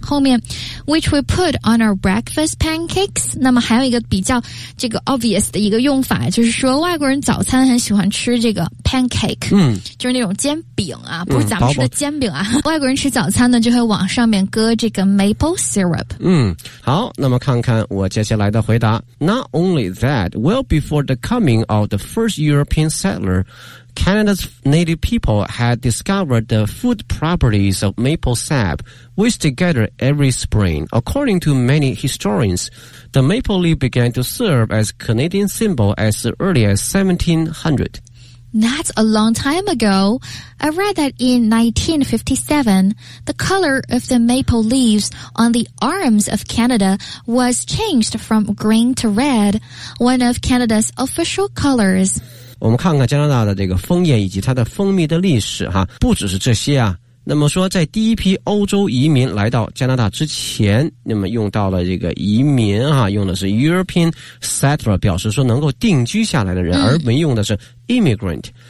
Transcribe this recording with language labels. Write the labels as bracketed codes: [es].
[zh] 后面 [en] which we put on our breakfast pancakes， [zh] 那么还有一个比较这个 obvious 的一个用法，就是说外国人早餐很喜欢吃这个 pancake， 就是那种煎饼啊，不是咱们吃的煎饼啊。外国人吃早餐呢就会往上面搁这个 maple syrup。好，那么看看我接下来的回答。 [en] Not only that, well before the coming of the first European settler, Canada's native people had discovered the food properties of maple sap, which they gather every spring. According to many historians, the maple leaf began to serve as Canadian symbol as early as 1700. That's a long time ago. I read that in 1957, the color of the maple leaves on the arms of Canada was changed from green to red, one of Canada's official colors. [zh] 我们看看加拿大的这个枫叶以及它的蜂蜜的历史哈，不只是这些啊。那么说在第一批欧洲移民来到加拿大之前，那么用到了这个移民啊，用的是 European settler 表示说能够定居下来的人，而没用的是 immigrant。